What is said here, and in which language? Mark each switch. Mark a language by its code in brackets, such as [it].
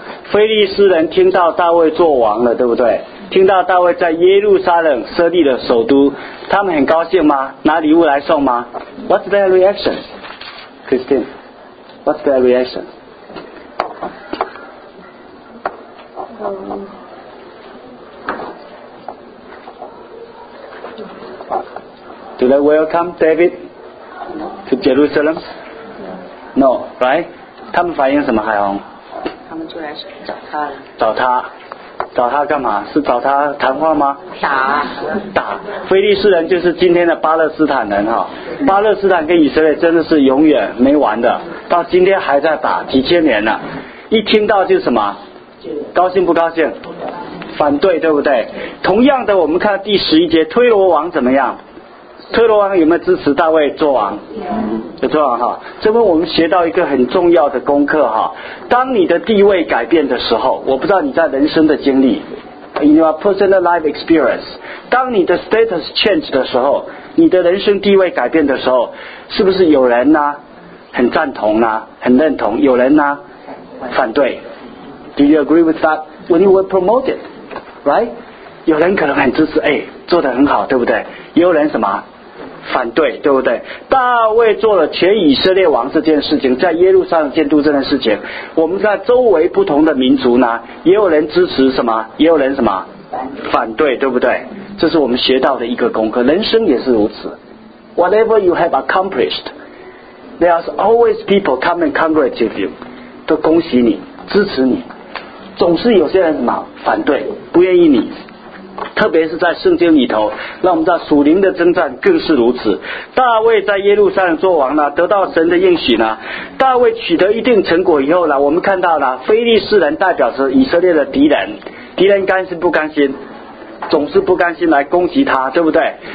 [zh] 非利士人听到大卫做王了，对不对？听到大卫在耶路撒冷设立了首都，他们很高兴吗？拿礼物来送吗？ [en] What's their reaction? Christine, what's their reaction? Do they welcome David to Jerusalem? No, right? [zh] 他们反映什么？海虹，他们就来找他了。找他，找他干嘛？是找他谈话吗？打打。非利士人就是今天的巴勒斯坦人哈，巴勒斯坦跟以色列真的是永远没完的，到今天还在打，几千年了。一听到就什么，高兴不高兴？反对，对不对？同样的，我们看第十一节，推罗王怎么样？推罗王有没有支持大卫做王？有，做王哈。这边我们学到一个很重要的功课哈。当你的地位改变的时候，我不知道你在人生的经历 ， [en] in your personal life experience， [zh] 当你的 [en] status change [zh] 的时候，你的人生地位改变的时候，是不是有人呢很赞同呢，很认同？有人呢反对 [en] ？Do you agree with that when you were promoted? Right？ [zh] 有人可能很支持，哎，做得很好，对不对？也有人什么反对，对不对？大卫做了全以色列王这件事情，在耶路撒冷建都这件事情，我们在周围不同的民族呢，也有人支持什么，也有人什么反对，对不对？这是我们学到的一个功课。人生也是如此。 [en] Whatever you have accomplished, there are always people come and congratulate you, [zh] 都恭喜你，支持你。总是有些人什么反对，不愿意你。特别是在圣经里头，让我们知道属灵的征战更是如此。大卫在耶路撒冷做王呢，得到神的应许呢。大卫取得一定成果以后呢，我们看到呢，非利士人代表是以色列的敌人，敌人甘心不甘心，总是不甘心来攻击他，对不对？